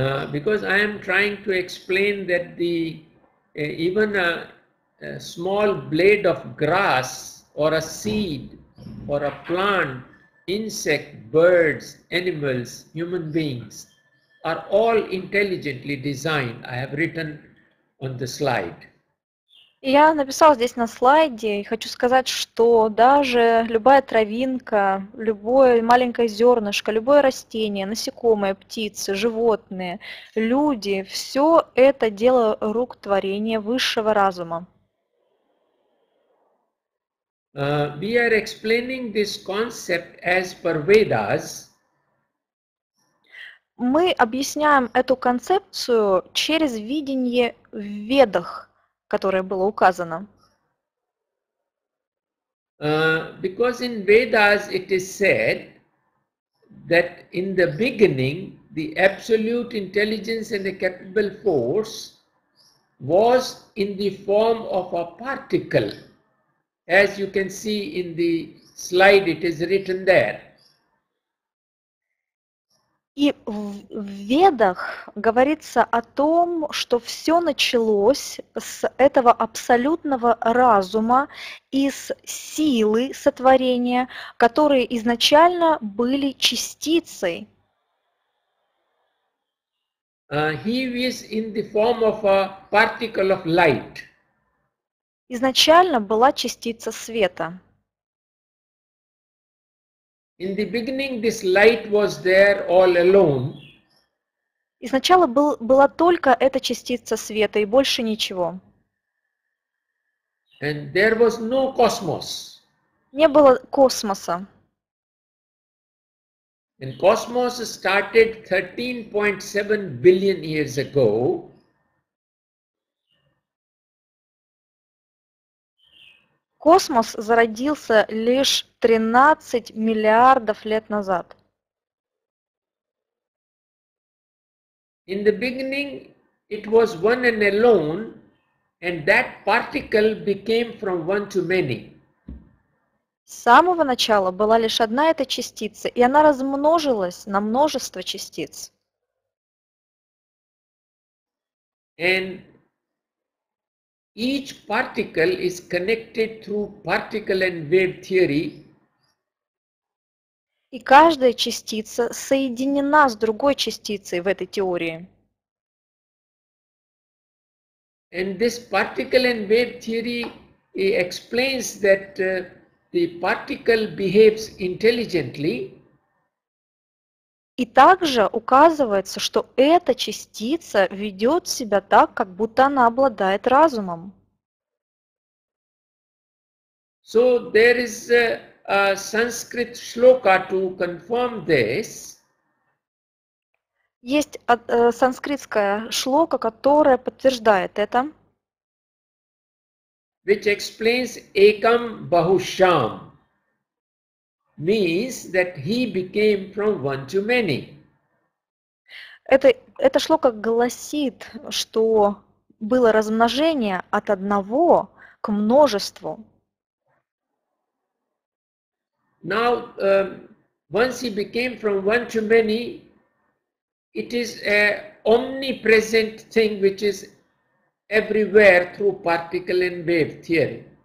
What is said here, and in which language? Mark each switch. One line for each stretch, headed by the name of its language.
English: Because I am trying to explain that the even a small blade of grass or a seed or a plant, insect, birds, animals, human beings are all intelligently designed. I have written on the slide.
Russian: Я написал здесь на слайде и хочу сказать, что даже любая травинка, любое маленькое зернышко, любое растение, насекомое, птицы, животные, люди, все это дело рук творения высшего разума.
English: We are explaining this concept as per Vedas.
Russian: Мы объясняем эту концепцию через видение в Ведах, которое было указано.
English: Because in Vedas it is said that in the beginning the absolute intelligence and the capable force was in the form of a particle. As you can see in the slide, it is written there.
Russian: И в Ведах говорится о том, что все началось с этого абсолютного разума, из силы сотворения, которые изначально были частицей.
English: He was in the form of a particle of light.
Russian: Изначально была частица света.
English: In the beginning, this light was there all alone.
Russian: Изначала была только эта частица света и больше ничего.
English: And there was no cosmos.
Russian: Не было космоса.
English: And cosmos started 13.7 billion years ago.
Russian: Космос зародился лишь 13 миллиардов лет назад.
English: In the beginning it was one and alone, and that particle became from one to many.
Russian: С самого начала была лишь одна эта частица, и она размножилась на множество частиц.
English: And each particle is connected through particle and wave theory.
Russian: И каждая частица соединена с другой частицей в этой теории.
English: And this particle and wave theory explains that the particle behaves intelligently.
Russian: И также указывается, что эта частица ведет себя так, как будто она обладает разумом.
English: So there is a Sanskrit shloka to confirm this.
Russian: Есть санскритская шлока, которая подтверждает это.
English: Which explains
Sanskrit: ekam bahusham.
English: Means that he became from one to many.
Russian: Эта шлока гласит, что было размножение от одного к множеству.
English: Now, once he became from one to many, it is an omnipresent thing which is everywhere through particle and wave theory.